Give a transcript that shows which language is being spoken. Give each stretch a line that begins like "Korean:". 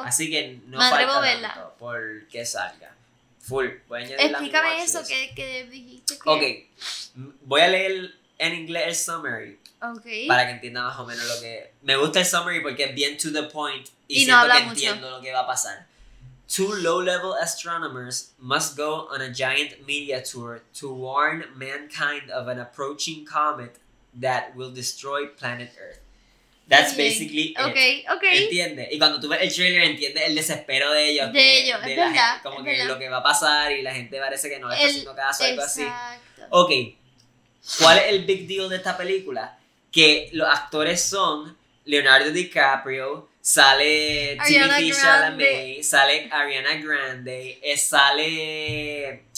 Spanish: Así que no falta tanto por que salga. Full. Voy a añadir explícame eso que dijiste que... Ok. Voy a leer en inglés el summary. Okay. Para que entienda más o menos lo que... Me gusta el summary porque es bien
English: to the point
Spanish: y siento no habla que mucho. Entiendo lo que va a pasar.
English: Two low-level astronomers must go on a giant media tour to warn mankind of an approaching comet that will destroy planet Earth. That's basically it. Okay, okay.
Spanish: ¿Entiende? Y cuando tú ves el trailer, entiendes el desespero de ellos. De ellos, de verdad. Como que lo que va a pasar y la gente parece que no está haciendo caso, algo así. Exacto. Okay. ¿Cuál es el
English: big deal
Spanish: de esta película? Que los actores son Leonardo DiCaprio, sale Timothée Chalamet, sale Ariana Grande, sale...